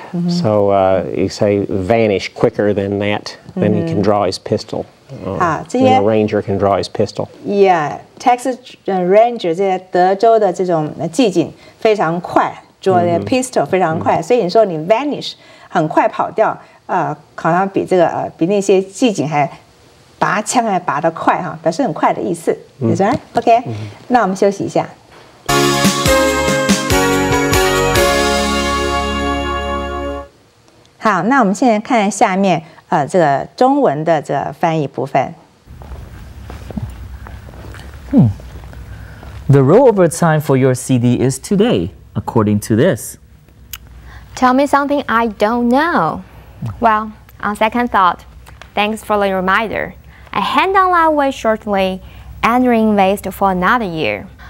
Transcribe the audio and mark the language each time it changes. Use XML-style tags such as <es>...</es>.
<en>So you say vanish quicker than that. Then he can draw his pistol. Then a ranger can draw his pistol. Yeah,</en> <zh>Texas Ranger, 这些德州的这种缉警非常快，</zh> <en>draw their pistol</en> <zh>非常快。所以你说你 vanish 很快跑掉，好像比这个比那些缉警还。拔枪还拔得快哈，表示很快的意思。</zh> <en>Is that right? OK?、Mm-hmm.</en> <zh>那我们休息一下。好，那我们现在看下面这个中文的这个翻译部分。</zh> <en>The rollover time for your CD is today, according to this. Tell me something I don't know. Well, on second thought, thanks for the reminder. I hand on my way shortly and reinvest for another year.</en>